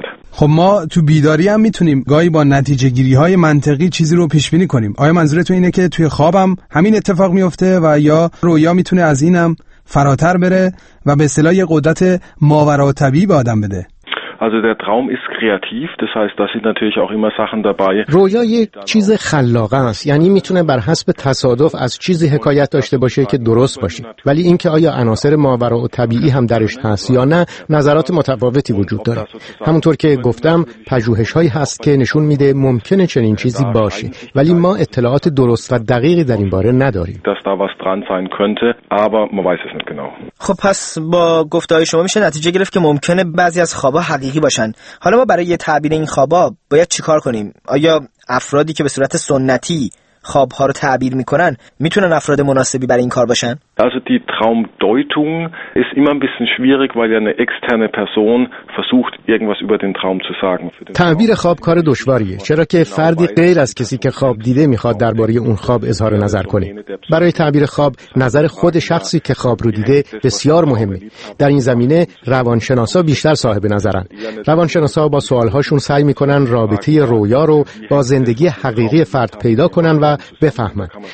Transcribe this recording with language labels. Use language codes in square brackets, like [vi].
[fa] خب ما تو بیداری هم میتونیم گاهی با نتیجه گیری های منطقی چیزی رو پیش بینی کنیم. آیا منظور تو اینه که توی خوابم همین اتفاق میفته و یا رویا میتونه از اینم فراتر بره و به اصطلاح یه قدرت ماوراءطبیعی به آدم بده؟ [de] Also der Traum ist kreativ, das heißt, da sind natürlich auch immer Sachen dabei. [fa] رویا یه چیز خلاقه است، یعنی میتونه بر حسب تصادف از چیزی حکایت داشته باشه که درست باشه. ولی اینکه آیا عناصر ماوراءطبیعی هم درش هست یا نه، نظرات متفاوتی وجود داره. همونطور که گفتم، پژوهش‌هایی هست که نشون میده ممکنه چنین چیزی باشه، ولی ما اطلاعات درست و دقیقی در این باره نداریم. [de] Das da was dran sein könnte, aber man weiß es nicht genau. [fa] خب پس با گفته‌های شما میشه نتیجه گرفت که ممکنه بعضی از خوابا حقیقی باشن. حالا ما برای تعبیر این خوابا باید چیکار کنیم؟ آیا افرادی که به صورت سنتی خوابها رو تعبیر میکنن میتونن افراد مناسبی برای این کار باشن؟ [de] Also die Traumdeutung ist immer ein bisschen schwierig, weil ja eine externe Person versucht irgendwas über den Traum zu sagen. [fa] تعبیر خواب کار دشواریه، چرا که فردی غیر از کسی که خواب دیده میخواد درباره اون خواب اظهار نظر کنه. برای تعبیر خواب نظر خود شخصی که خواب رو دیده بسیار مهمه. در این زمینه روانشناسا بیشتر صاحب نظرن. روانشناسا با سوالهاشون سعی میکنن رابطه رویا رو با زندگی حقیقی فرد پیدا کنن و بفهمن.